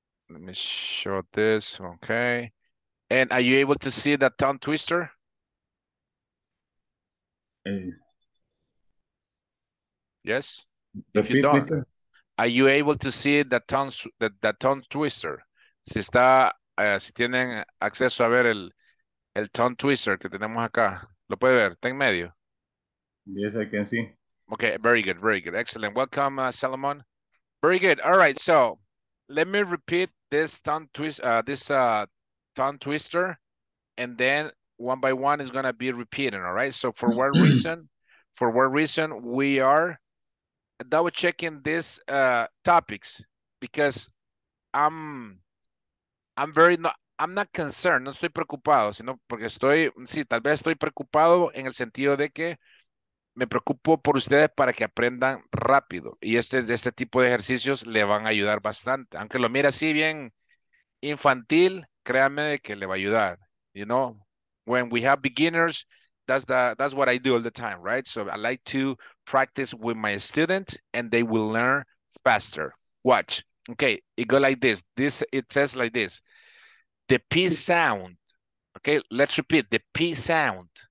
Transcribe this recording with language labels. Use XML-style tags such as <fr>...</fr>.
<en>Let me show this. Okay. And are you able to see the tongue twister? Yes. Repeat, if you don't, Peter. Are you able to see the tongue twister?</en> <es>Si está, si tienen acceso a ver el tongue twister que tenemos acá, lo puede ver. Está en medio.</es> <en>Yes, I can see. Okay. Very good. Very good. Excellent. Welcome, Salomon. Very good. All right. So let me repeat this tongue twist. Tongue twister, and then one by one is gonna be repeating. All right. So for what reason? For what reason we are double checking these topics? Because I'm not concerned.</en> <es>No estoy preocupado, sino porque estoy sí. Tal vez estoy preocupado en el sentido de que me preocupo por ustedes para que aprendan rápido. Y este tipo de ejercicios le van a ayudar bastante. Aunque lo mire así bien infantil, créanme que le va a ayudar.</es> <en>You know, when we have beginners, that's what I do all the time, right? So I like to practice with my students and they will learn faster. Watch. Okay, it goes like this. It says like this. The P sound. Okay, let's repeat. The P sound.</en>